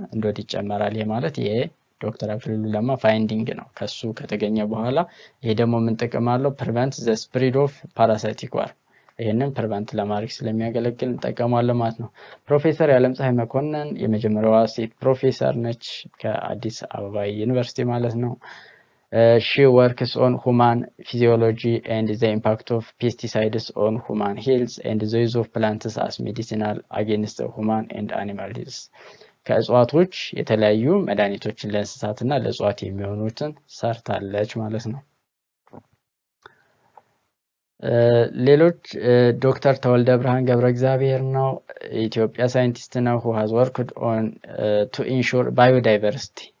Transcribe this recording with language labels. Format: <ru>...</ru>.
<am>እንዶድ ይጨመራል። ይሄ ማለት ይሄ ዶክተር አክሊሉ ለማ ፋይንዲንግ ነው ከሱ ከተገኘ በኋላ። ይሄ ደግሞ ምን ጥቅም አለው?</am> <en>ፕሪቨንት ዘ ስፕሪድ ኦፍ ፓራሳይቲክ ዋር</en> <am>ይሄንን ፕሪቨንት ለማድረግ ስለሚያገለግል እንጠቀማለን ማለት ነው። ፕሮፌሰር ያለም ፀሐይ መኮንን የመጀመሪያዋ ሴት ፕሮፌሰር ነች ከአዲስ አበባ ዩኒቨርሲቲ ማለት ነው።</am> <en>She works on human physiology and the impact of pesticides on human health and the use of plants as medicinal against human and animal disease.</en> <am>ከእጽዋቶች የተለያዩ መድኃኒቶችን ለእንስሳትና ለእጽዋት የሚሆኑትን ሰርታለች ማለት ነው። ሌሎች ዶክተር ተወልደ ብርሃን ገብረ እግዚአብሔር ነው። ኢትዮጵያ ሳይንቲስት ነው</am> <en>who has worked on to ensure biodiversity.</en>